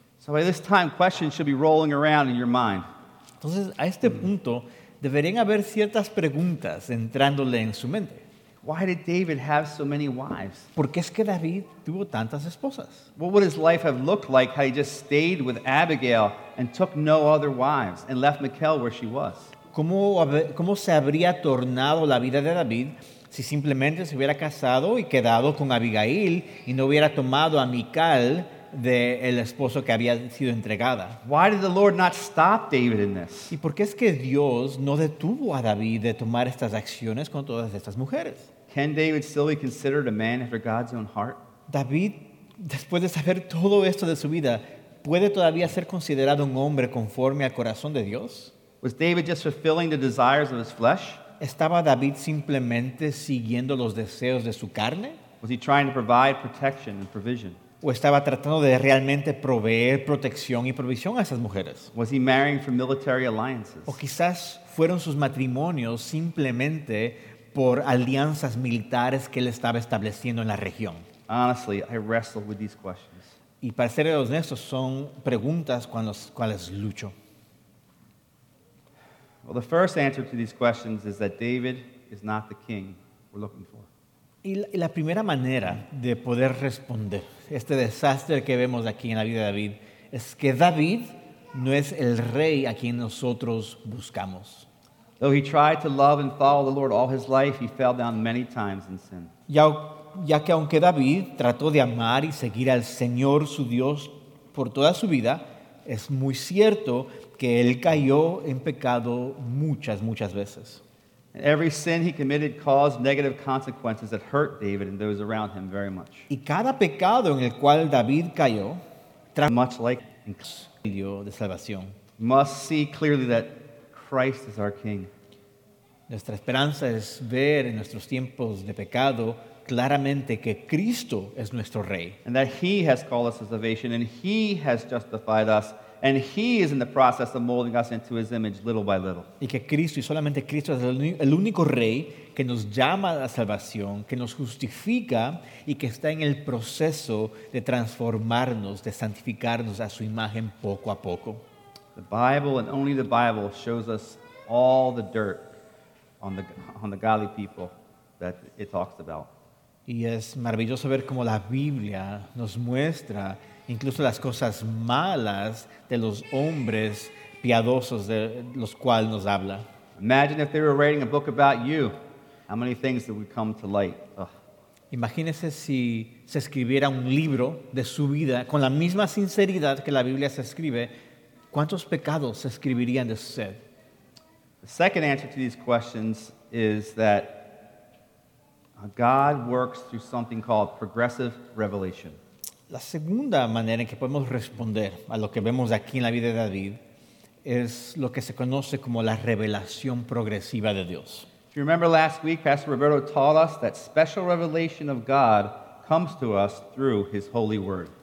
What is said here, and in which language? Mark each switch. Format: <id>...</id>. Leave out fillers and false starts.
<en>So by this time, questions should be rolling around in your mind.</en> <es>Entonces, a este punto, deberían haber ciertas preguntas entrándole en su mente.</es> <en>Why did David have so many wives?</en> <es>¿Por qué es que David tuvo tantas esposas?</es> <en>What would his life have looked like had he just stayed with Abigail and took no other wives and left Michal where she was?</en> <es>¿Cómo se habría tornado la vida de David si simplemente se hubiera casado y quedado con Abigail y no hubiera tomado a Michal de el esposo que había sido entregada?</es> <en>Why did the Lord not stop David in this?</en> <es>¿Y por qué es que Dios no detuvo a David de tomar estas acciones con todas estas mujeres?</es> <en>Can David still be considered a man after God's own heart?</en> <es>David, después de saber todo esto de su vida, ¿puede todavía ser considerado un hombre conforme al corazón de Dios?</es> <en>Was David just fulfilling the desires of his flesh?</en> <es>¿Estaba David simplemente siguiendo los deseos de su carne?</es> <en>Was he trying to provide protection and provision?</en> <es>¿O estaba tratando de realmente proveer protección y provisión a esas mujeres?</es> <en>Was he marrying for military alliances?</en> <es>¿O quizás fueron sus matrimonios simplemente por alianzas militares que él estaba estableciendo en la región?</es> <en>Honestly, I wrestle with these questions.</en> <es>Y para ser honesto, son preguntas con las cuales lucho.</es> <en>Well, the first answer to these questions is that David is not the king we're looking for.</en> <es>Y la primera manera de poder responder este desastre que vemos aquí en la vida de David es que David no es el rey a quien nosotros buscamos.</es> <en>Though he tried to love and follow the Lord all his life, he fell down many times in sin.</en> <es>Ya que aunque David trató de amar y seguir al Señor su Dios por toda su vida, es muy cierto que él cayó en pecado muchas veces.</es> <en>Every sin he committed caused negative consequences that hurt David and those around him very much.</en> <es>Y cada pecado en el cual David cayó,</es> <en>much like</en> <es>un castigo de salvación.</es> <en>Must see clearly that Christ is our King.</en> <es>Nuestra esperanza es ver en nuestros tiempos de pecado claramente que Cristo es nuestro Rey.</es> <en>And that he has called us to salvation and he has justified us. And he is in the process of molding us into his image little by little.</en> <es>Y que Cristo, y solamente Cristo, es el único rey que nos llama a la salvación, que nos justifica y que está en el proceso de transformarnos, de santificarnos a su imagen poco a poco.</es> <en>The Bible and only the Bible shows us all the dirt on the godly people that it talks about.</en> <es>Y es maravilloso ver cómo la Biblia nos muestra incluso las cosas malas de los hombres piadosos de los cuales nos habla.</es> <en>Imagine if they were writing a book about you. How many things that would come to light. Ugh.</en> <es>Imagínese si se escribiera un libro de su vida con la misma sinceridad que la Biblia se escribe. ¿Cuántos pecados se escribirían de usted?</es> <en>The second answer to these questions is that God works through something called progressive revelation.</en> <es>La segunda manera en que podemos responder a lo que vemos aquí en la vida de David es lo que se conoce como la revelación progresiva de Dios.</es> <en>If you remember last week, Pastor Roberto taught us that special revelation of God comes to us through his holy word.</en>